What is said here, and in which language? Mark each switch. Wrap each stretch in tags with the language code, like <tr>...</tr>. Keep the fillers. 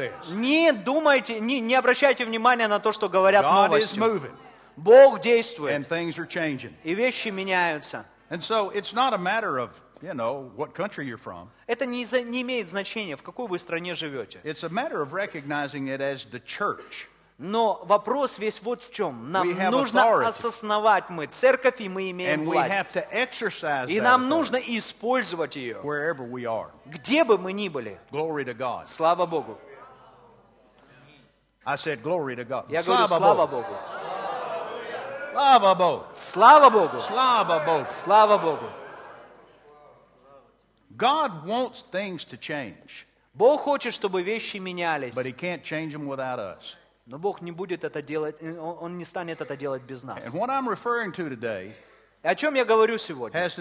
<ru>Не думайте, не, не обращайте внимания на то, что говорят</ru> <en>God</en> <ru>новости. Бог действует. И вещи меняются.</ru> <en>And so it's not a matter of, you know, what country you're from.</en> <ru>Это не, за, не имеет значения, в какой вы стране живете.</ru> <en>It's a matter of recognizing it as the church.</en> <ru>Но вопрос весь вот в чем. Нам нужно осознавать мы церковь, и мы имеем власть. И нам нужно использовать ее, где бы мы ни были. Слава Богу. Я говорю, слава Богу. Слава Богу. Слава Богу! Слава Богу! Слава Богу! Слава Богу!</ru> <en>God wants things to change.</en> <ru>Бог хочет, чтобы вещи менялись.</ru> <en>But he can't change them without us.</en> <ru>Но Бог не будет это делать, Он не станет это делать без нас.</ru> <en>And what I'm referring to today,</en> <ru>о чем я говорю сегодня?</ru>